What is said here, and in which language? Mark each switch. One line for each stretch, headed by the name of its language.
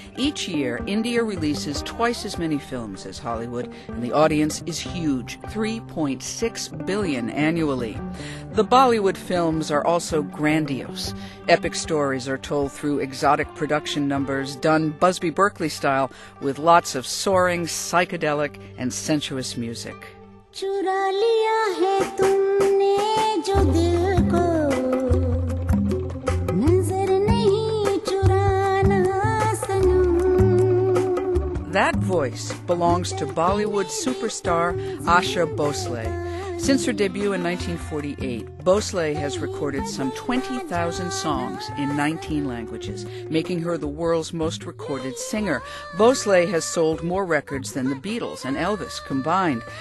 English: Each year, India releases twice as many films as Hollywood, and the audience is huge, 3.6 billion annually. The Bollywood films are also grandiose. Epic stories are told through exotic production numbers done Busby Berkeley style, with lots of soaring, psychedelic, and sensuous music.
Hindi: चुरा लिया है तुमने जो दिल को नजर नहीं चुराना सनम.
English: That voice belongs to Bollywood superstar Asha Bhosle. Since her debut in 1948, Bhosle has recorded some 20,000 songs in 19 languages, making her the world's most recorded singer. Bhosle has sold more records than the Beatles and Elvis combined.